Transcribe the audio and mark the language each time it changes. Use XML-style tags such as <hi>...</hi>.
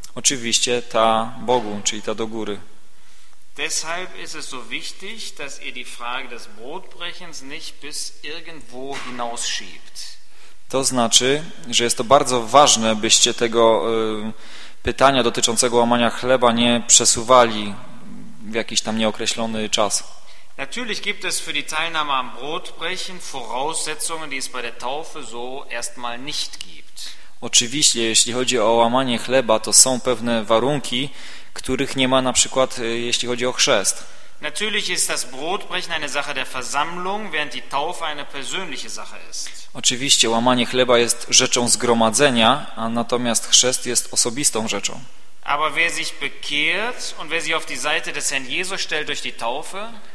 <pl>Oczywiście ta Bogu, czyli ta do góry.</pl> <de>Deshalb ist es so wichtig, dass ihr die Frage des Brotbrechens nicht bis irgendwo hinausschiebt.</de> <pl>To znaczy, że jest to bardzo ważne, byście tego pytania dotyczącego łamania chleba nie przesuwali w jakiś tam nieokreślony czas.</pl> <de>Natürlich gibt es für die Teilnahme am Brotbrechen Voraussetzungen, die es bei der Taufe so erstmal nicht gibt.</de> <pl>Oczywiście, jeśli chodzi o łamanie chleba, to są pewne warunki, których nie ma na przykład jeśli chodzi o chrzest.</pl> <de>Natürlich ist das Brotbrechen eine Sache der Versammlung, während die Taufe eine persönliche Sache ist.</de> <pl>Oczywiście łamanie chleba jest rzeczą zgromadzenia, a natomiast chrzest jest osobistą rzeczą.</pl> <de>Aber wer sich bekehrt und wer sich auf die Seite des Herrn Jesus stellt durch die Taufe?</de>